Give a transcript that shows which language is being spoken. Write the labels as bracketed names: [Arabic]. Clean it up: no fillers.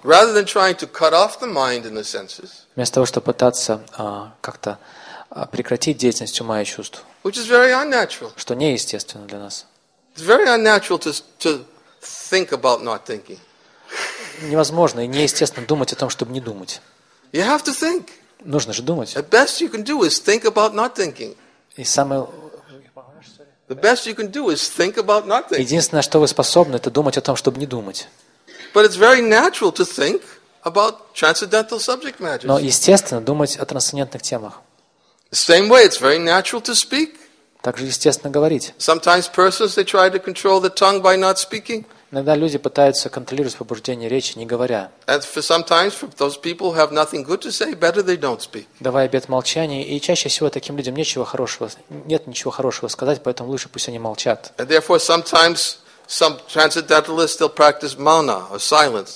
[English] Rather than trying to cut off the mind and the senses. [Russian] Вместо того, чтобы пытаться как-то прекратить деятельность ума и чувств. [English] Which is very unnatural. [Russian] Что неестественно для нас. [English] It's very unnatural to think about not thinking. [Russian] Невозможно и неестественно думать о том, чтобы не думать. [English] You have to think. [Russian] Нужно же думать. [English] The best you can do is think about not thinking. [Russian] И самое [English] The best you can do is think about nothing. [Russian] Единственное, что вы способны, это думать о том, чтобы не думать. [English] But it's very natural to think about transcendental subject matters. [Russian] Но естественно думать о трансцендентных темах. [English] Same way, it's very natural to speak. [Russian] Также естественно говорить. [English] Sometimes persons they try to control the tongue by not speaking. [Russian] Иногда люди пытаются контролировать побуждение речи, не говоря. [English] And for sometimes for those people who have nothing good to say, better they don't speak. [Russian] Давая обет молчания, и чаще всего таким людям нет ничего хорошего сказать, поэтому лучше пусть они молчат. [English] And therefore sometimes some transcendentalists still practice mauna or silence.